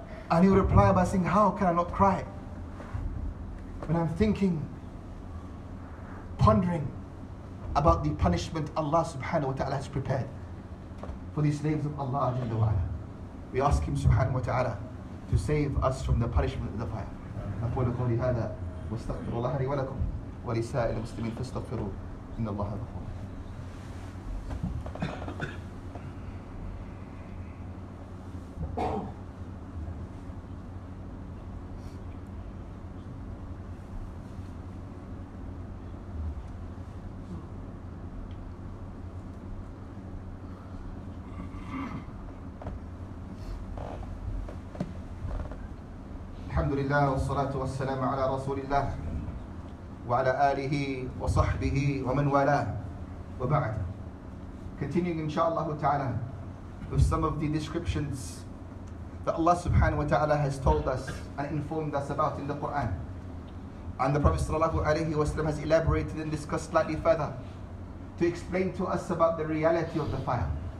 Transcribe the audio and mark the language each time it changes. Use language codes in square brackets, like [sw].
[en] And he would reply by saying, how can I not cry when I'm thinking, pondering about the punishment Allah subhanahu wa ta'ala has prepared for the slaves of Allah Jalla wa ala. We ask Him subhanahu wa ta'ala to save us from the punishment of the fire. [ar] أقول قولي هذا واستغفر الله لي ولكم ولسائر المسلمين فاستغفروا إن الله غفور. والصلاة والسلام على رسول الله وعلى آله وصحبه ومن والاه وبعد. [en] Continuing inshallah ta'ala with some of the descriptions that Allah subhanahu wa ta'ala has told us and informed us about in the Quran. And the Prophet sallallahu alayhi wa sallam has elaborated and discussed slightly further to explain to us about the reality of the fire.